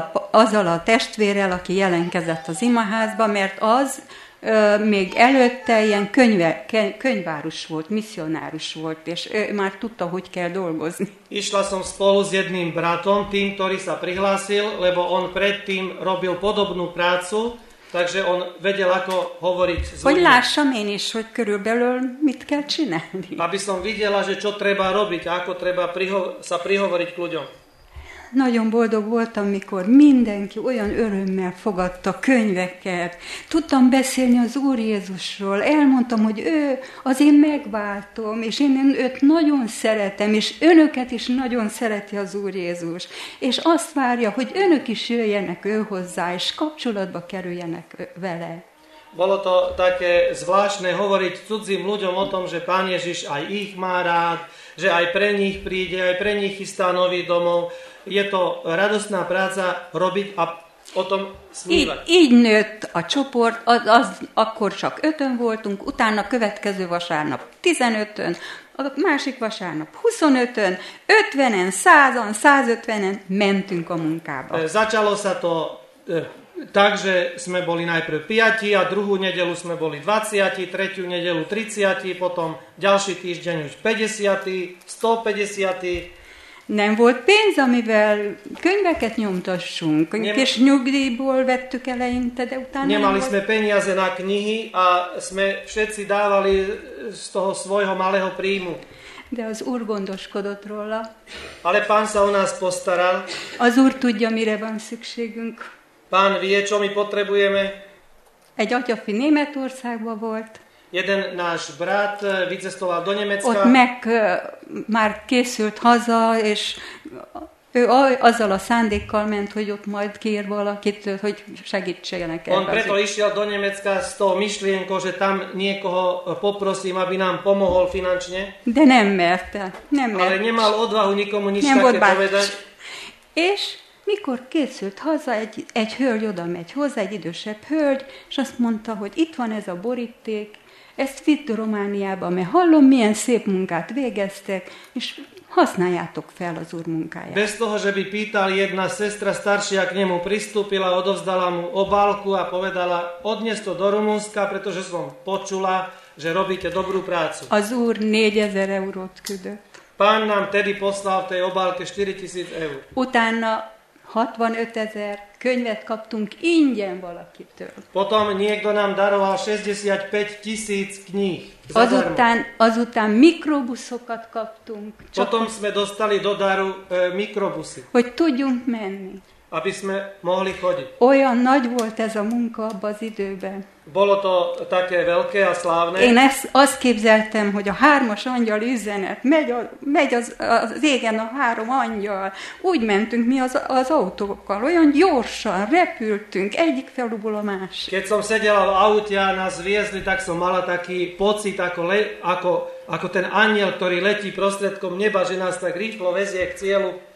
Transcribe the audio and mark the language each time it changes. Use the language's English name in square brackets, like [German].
[Hungarian] Azzal a testvérrel, aki jelenkezett az imaházba, mert az még előtte ilyen könyvváros volt, misionárus volt, és már tudta, hogy kell dolgozni. [Slovak] Išla som spolu s jedným bratom, tým, ktorý sa prihlásil, lebo on predtým robil podobnú prácu, takže on vedel, ako hovoriť zvukom. [Hungarian] Hogy lássam én is, hogy körülbelül mit kell csinálni. [Slovak] Aby som videla, že čo treba robiť, ako treba sa prihovoriť k ľuďom. [Hungarian] Nagyon boldog voltam, mikor mindenki olyan örömmel fogadta könyveket. Tudtam beszélni az Úr Jézusról. Elmondtam, hogy ő az én megváltom, és én őt nagyon szeretem, és önöket is nagyon szereti az Úr Jézus. És azt várja, hogy önök is jöjjenek ő hozzá, és kapcsolatba kerüljenek vele. [Slovak] Bolo to také zvláštne hovoriť cudzím ľuďom o tom, že Pán Ježiš aj ich má rád, že aj pre nich príde, aj pre nich chystá nový domov. Je to radostná práca robiť a o tom smívať. [Hungarian] Így nőtt a csoport, akkor csak 5-ön voltunk, utána következő vasárnap 15-ön, a másik vasárnap 25-ön, 50-en, 100-an, 150-en mentünk a munkába. [Slovak] Začalo sa to tak, že sme boli najprv 5-ti a druhú nedelu sme boli 20-ti, tretiu nedelu 30-ti, potom ďalší týždeň už 50-ti, 150-ti. [Hungarian] Nem volt pénz, amivel könyveket nyomtassunk. Kis nyugdíjból vettük eleinte, de utána... [Slovak] Nemali sme peniaze na knihy a sme všetci dávali z toho svojho malého príjmu. [Hungarian] De az Úr gondoskodott róla. [Slovak] Ale Pán sa o nás postaral. [Hungarian] Az Úr tudja, mire van szükségünk. [Slovak] Pán vie, čo my potrebujeme. [Hungarian] Egy atyafi Németországban volt. [Slovak] Jeden náš brat vycestoval do Nemecka. [Hungarian] Ott meg már készült haza, és ő azzal a szándékkal ment, hogy ott majd kér valakit, hogy segítsenek [Slovak] el. On preto išiel do Nemecka s tou myšlienkou, že tam niekoho poprosím, aby nám pomohol finančne. [Hungarian] De nem merte, nem merte. [Slovak] Ale nemal odvahu nikomu nič také povedať. [Hungarian] És mikor készült haza, egy hölgy oda megy hozzá, egy idősebb hölgy, és azt mondta, hogy itt van ez a boríték, ezt vitt Romániába, mert hallom, milyen szép munkát végeztek, és használjátok fel az Úr munkáját. [Slovak] Bez toho, že by pýtal, jedna sestra staršia k nemu pristúpila, odovzdala mu obálku a povedala, odnes to do Rumunska, pretože som počula, že robíte dobrú prácu. [Hungarian] Az Úr 4000 eurót küldött. [Slovak] Pán nám tedy poslal v tej obálke 4000 eur. [Hungarian] Utána 65,000 könyvet kaptunk ingyen valakitől. [Slovak] Potom niekto nám daroval 65,000 kníh. [Hungarian] Azután mikrobuszokat kaptunk. [Slovak] Potom sme dostali do daru mikrobusy. [Hungarian] Hogy tudjunk menni. [Slovak] Aby sme mohli chodiť. [Hungarian] Olyan nagy volt ez a munka abba az időben. [Slovak] Bolo to také veľké a slávne. [Hungarian] Én azt képzeltem, hogy a hármas angyal üzenet, megy az égen a három angyal. Úgy mentünk mi az autókkal, olyan gyorsan repültünk egyik feluból a másik. [Slovak] Keď som sedela v aute a nás viezli, tak som mala taký pocit, ako ten anjel, ktorý letí prostredkom neba, že nás tak rýchlo vezie k cieľu.